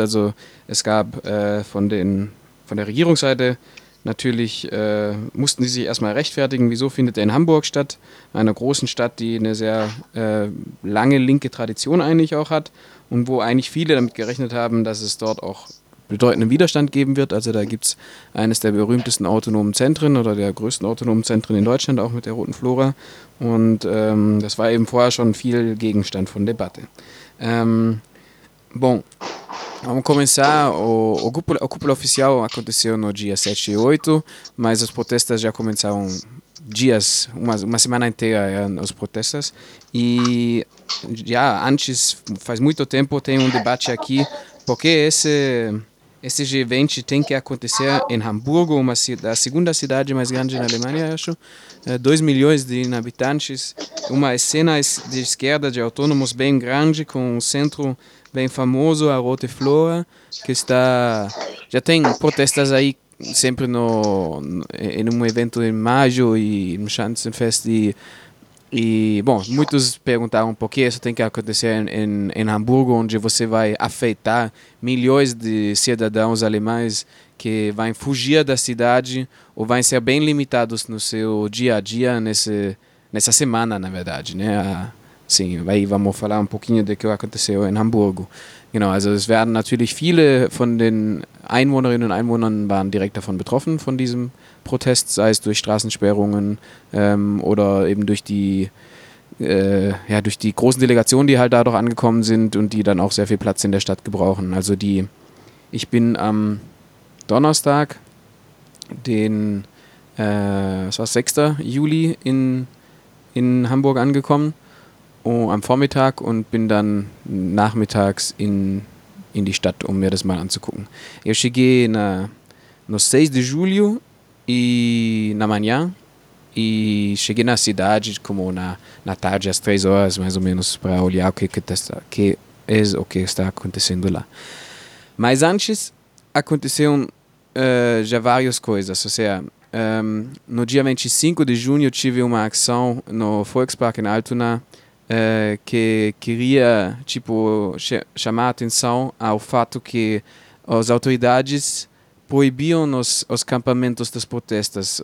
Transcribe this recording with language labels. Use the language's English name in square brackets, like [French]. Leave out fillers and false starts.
[German] Also es gab von der Regierungsseite natürlich, mussten sie sich erstmal rechtfertigen, wieso findet er in Hamburg statt, einer großen Stadt, die eine sehr lange linke Tradition eigentlich auch hat und wo eigentlich viele damit gerechnet haben, dass es dort auch bedeutenden Widerstand geben wird. Also da gibt es eines der berühmtesten autonomen Zentren oder der größten autonomen Zentren in Deutschland, auch mit der Roten Flora. Und das war eben vorher schon viel Gegenstand von Debatte. [Portuguese] Bom, vamos começar. O cúpula oficial aconteceu no dia 7 e 8, mas as protestas já começaram dias, uma semana inteira as protestas. E já antes, faz muito tempo, tem um debate aqui, porque esse G20 tem que acontecer em Hamburgo, a segunda cidade mais grande na Alemanha, acho. 2 milhões de habitantes, uma cena de esquerda de autônomos bem grande, com um centro bem famoso, a Rote Flora, que está... Já tem protestas aí sempre em um evento em maio e no Schanzenfest. E, bom, muitos perguntaram por que isso tem que acontecer em Hamburgo, onde você vai afetar milhões de cidadãos alemães que vão fugir da cidade ou vão ser bem limitados no seu dia a dia, nessa semana, na verdade, né? Sim, aí vamos falar um pouquinho do que aconteceu em Hamburgo. [German] Genau, also es werden natürlich viele von den Einwohnerinnen und Einwohnern waren direkt davon betroffen, von diesem Protest, sei es durch Straßensperrungen oder eben durch die großen Delegationen, die halt dadurch angekommen sind und die dann auch sehr viel Platz in der Stadt gebrauchen. Also ich bin am Donnerstag, den 6. Juli in Hamburg angekommen. Am Vormittag und bin dann nachmittags in die Stadt, um mir das mal anzugucken. [Portuguese] Eu cheguei no 6 de julho e na manhã e cheguei na cidade como na tarde, às 3 horas mais ou menos, para olhar o que está acontecendo lá. Mas antes aconteceram já várias coisas, ou seja, no dia 25 de junho tive uma ação no Volkspark em Altona, que queria chamar a atenção ao fato que as autoridades proibiam os campamentos das protestas.